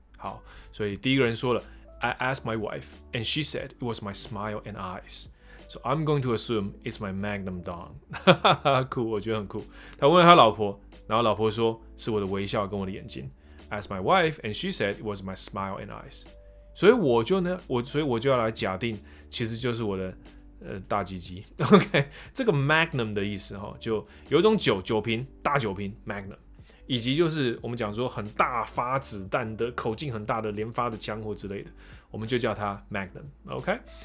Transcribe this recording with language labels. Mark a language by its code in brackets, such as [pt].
[zh] 好，所以第一个人说了 [en] ，I asked my wife and she said it was my smile and eyes。 So I'm going to assume it's my Magnum Dong. [zh] 酷，我觉得很酷。他问他老婆，然后老婆说是我的微笑跟我的眼睛。 [en] Asked my wife, and she said it was my smile and eyes. [zh] 所以我就呢，所以我就要来假定，其实就是我的大鸡鸡。 OK， 这个 Magnum 的意思哈，就有一种酒瓶，大酒瓶 Magnum， 以及就是我们讲说很大发子弹的口径很大的连发的枪或之类的，我们就叫它 Magnum。OK。